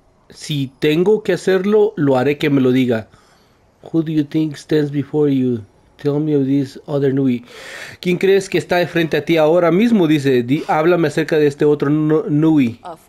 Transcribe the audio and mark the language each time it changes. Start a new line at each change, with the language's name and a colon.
Spanish: Si tengo que hacerlo, lo haré que me lo diga.
English: Who do you think stands before you? Tell me of this other Nui.
Spanish: ¿Quién crees que está de frente a ti ahora mismo? Dice, háblame acerca de este otro Nui.